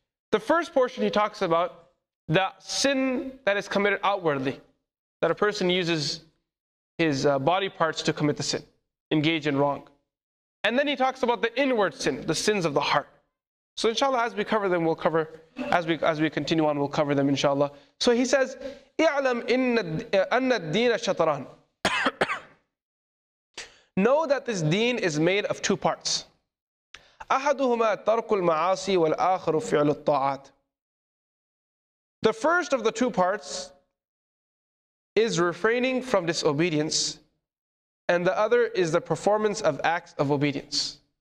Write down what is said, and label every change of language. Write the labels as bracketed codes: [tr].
[en] The first portion he talks about the sin that is committed outwardly, that a person uses his body parts to commit the sin, engage in wrong. And then he talks about the inward sin, the sins of the heart. So inshallah, as we cover them, we'll cover, as we continue on, we'll cover them inshallah. So he says, [ar] اِعْلَمْ أَنَّ الدِّينَ شَطَرَانَ. [en] Know that this deen is made of two parts. [ar] أَحَدُهُمَا تَرْكُ الْمَعَاصِي وَالْآخَرُ فِعْلُ الطَّاعَاتِ. [en] The first of the two parts is refraining from disobedience, and the other is the performance of acts of obedience.